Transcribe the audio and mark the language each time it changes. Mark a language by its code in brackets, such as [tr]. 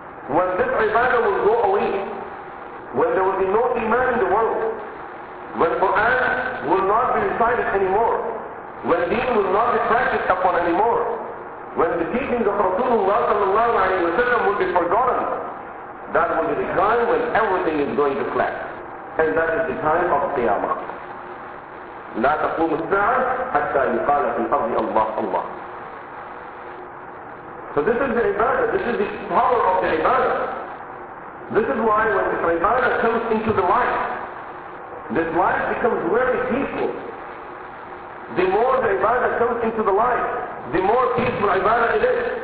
[en] When this ibadah will go away, when there will be no iman in the world, when Quran will not be recited anymore, when deen will not be practiced upon anymore, when the teachings of Rasulullah sallallahu alayhi wa sallam will be forgotten, that will be the time when everything is going to collapse. And that is the time of Qiyamah. [ar] لا تقوم الساعة حتى يقال في الأرض الله الله. [en] So this is the ibadah, this is the power of the ibadah. This is why when the ibadah comes into the life, this life becomes very peaceful. The more the ibadah comes into the life, the more peaceful ibadah it is.